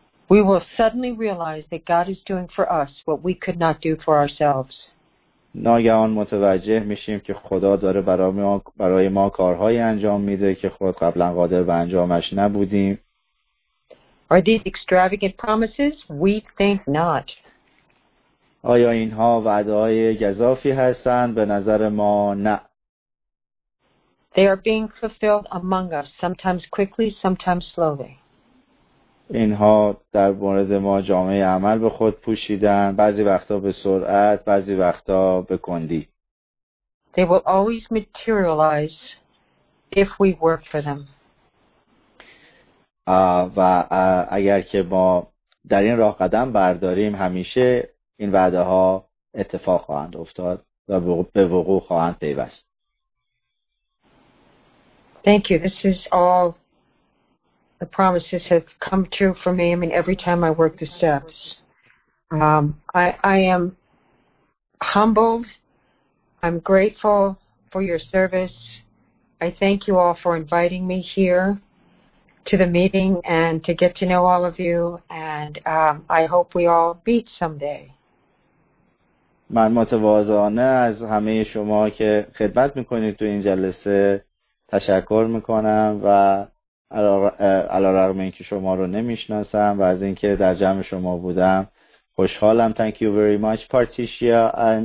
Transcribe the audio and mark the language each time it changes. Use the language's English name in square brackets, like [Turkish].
[English] We will suddenly realize that God is doing for us what we could not do for ourselves. [Persian] ناگهان متوجه میشیم که خدا داره برای ما کارهایی انجام میده که خود قبلا قادر به انجامش نبودیم. [English] Are these extravagant promises? We think not. [Persian] آیا اینها وعده‌های گزافی هستند؟ به نظر ما نه. [English] They are being fulfilled among us, sometimes quickly, sometimes slowly. [Persian] اینها در مورد ما جامعه عمل به خود پوشیدن، بعضی وقتا به سرعت، بعضی وقتا به کندی. [English] They will always materialize if we work for them. [Persian] و اگر که ما در این راه قدم برداریم همیشه این وعده ها اتفاق خواهند افتاد و به وقوع خواهند پیوست. [English] Thank you. This is all the promises have come true for me. I mean, every time I work the steps, I am humbled. I'm grateful for your service. I thank you all for inviting me here to the meeting and to get to know all of you. And I hope we all meet someday. [Persian] من متواضعانه از همه شما که خدمت میکنید تو این جلسه تشکر میکنم و علی‌رغم اینکه شما رو نمیشناسم و از اینکه در جمع شما بودم خوشحالم. [English] Thank you very much, [Persian] Patricia.